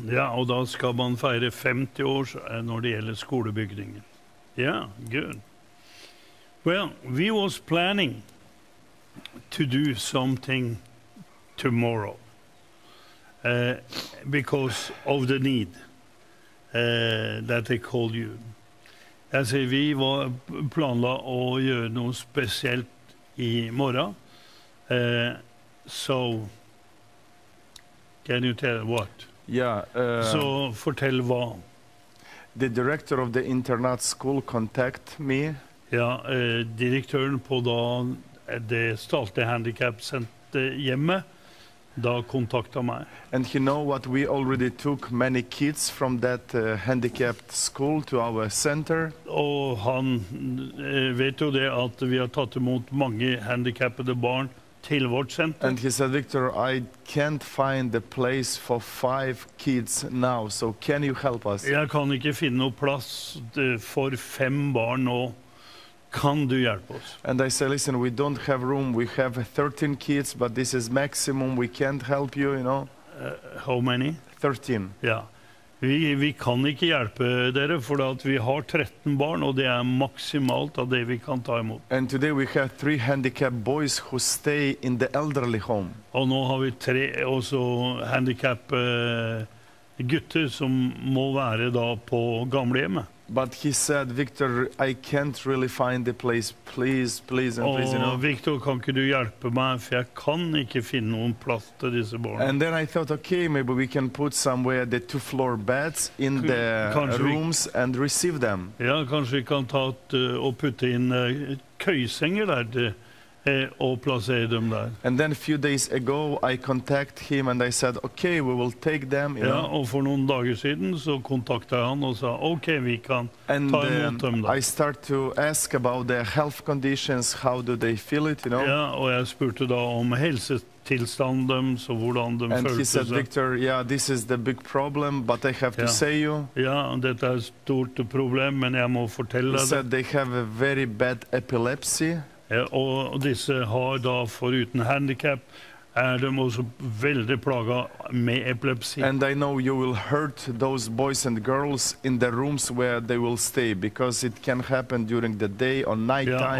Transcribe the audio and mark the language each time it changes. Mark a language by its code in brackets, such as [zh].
[no] Ja, og da skal man feire 50 år når det gjelder skolebygningen. [en] Yeah, good. Well, we was planning to do something tomorrow because of the need. That they call you. [no] Altså, vi var planla å gjøre noe spesielt i morgen. [en] Can you tell what? Yeah. [no] So, fortell hva. [en] The director of the internat school contact me. [no] Ja, direktøren på det statlige handicap-senter hjemme Da kontaktet meg. [en] And you know what, we already took many kids from that handicapped school to our center. [no] Og han vet jo det at vi har tatt imot mange handicappede barn til vårt senter. [en] And he said, Victor, I can't find a place for 5 kids now, so can you help us? [no] Jeg kan ikke finne noe plass for 5 barn nå. Kan du hjelpe oss? [en] And I said, listen, we don't have room. We have 13 kids, but this is maximum. We can't help you, you know. How many? 13. [no] Ja. Vi kan ikke hjelpe dere, for at vi har 13 barn, og det er maksimalt av det vi kan ta imot. [en] And today we have 3 handicapped boys who stay in the elderly home. [no] Og nå har vi 3 også handicapped gutter som må være da på gamlehjemmet. [en] But he said, Victor, I can't really find the place. Please, please, and please, you know. [no] Victor, kan ikke du hjelpe meg? For jeg kan ikke finne noen plass til disse barna. [en] And then I thought, okay, maybe we can put somewhere the 2-floor beds in the rooms and receive them. [no] Ja, kanskje vi kan ta og putte inn køysenger der, og plassere dem der. [en] And then a few days ago, I contacted him and I said, okay, we will take them. [no] Ja, og for noen dager siden så kontaktet han og sa, okay, vi kan ta imot dem der. [en] I start to ask about their health conditions, how do they feel it, you know? [no] Ja, og jeg spurte da om helsetilstanden dem, så hvordan de følte seg. [en] And he said, Victor, yeah, this is the big problem, but I have to say you. [no] Ja, dette et stort problem, men jeg må fortelle det. [en] He said they have a very bad epilepsy. [no] Og disse har da foruten handicap, de også veldig plaget med epilepsi. [en] And I know you will hurt those boys and girls in the rooms where they will stay, because it can happen during the day or night time.